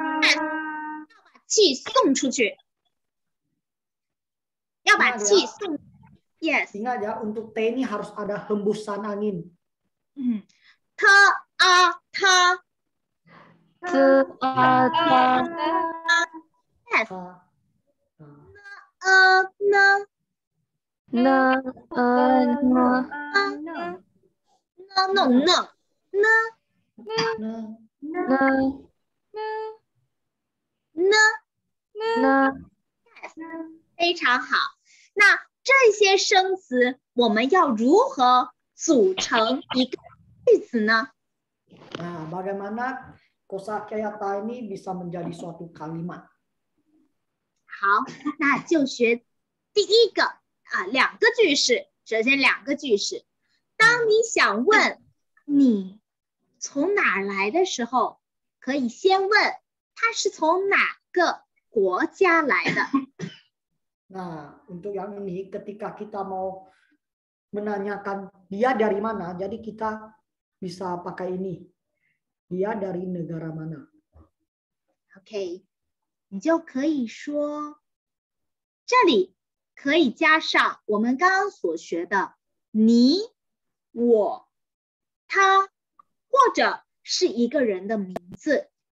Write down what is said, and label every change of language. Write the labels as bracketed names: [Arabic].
[Chinese] 要把气送出去，要把气送。 [English] Yes. [Indonesian] Ingat ya, untuk T ini harus ada hembusan angin. [Chinese] 嗯，他啊他，他啊他，Yes. 那啊那，那啊那。 [English] No, no, no, no, no, no, no, no, no, [Chinese] yes, 非常好。那这些生词我们要如何组成一个句子呢？ [Indonesian] Nah, bagaimana kosakata ini bisa menjadi suatu kalimat? [Chinese] 好，那就学第一个啊，两个句式。首先，两个句式。当你想问你从哪儿来的时候，可以先问他是从哪个国家来的。 [Indonesian] Nah, untuk yang ini, ketika kita mau menanyakan dia dari mana, jadi kita bisa pakai ini. Dia dari negara mana? [Chinese] Okay, 你就可以说，这里可以加上我们刚刚所学的你。我他或者是一个人的名字。